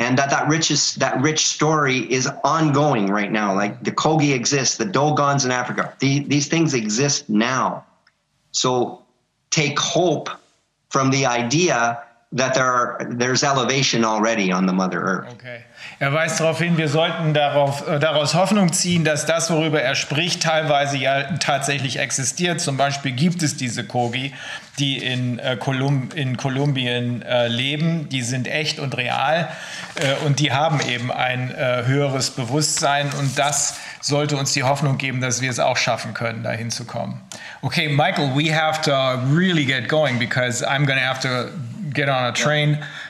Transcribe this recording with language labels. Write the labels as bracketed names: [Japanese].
[English] And that rich story is ongoing right now. Like the Kogi exists, the Dogons in Africa, these things exist now. So take hope from the idea that there's elevation already on the Mother Earth. Okay. [German] Er weist darauf hin, wir sollten daraus Hoffnung ziehen, dass das, worüber er spricht, teilweise ja tatsächlich existiert. Zum Beispiel gibt es diese Kogi, die in Kolumbien leben. Die sind echt und real und die haben eben ein höheres Bewusstsein. Und das sollte uns die Hoffnung geben, dass wir es auch schaffen können, dahin zu kommen. [English] Okay, Michael, we have to really get going because I'm going to have to get on a train.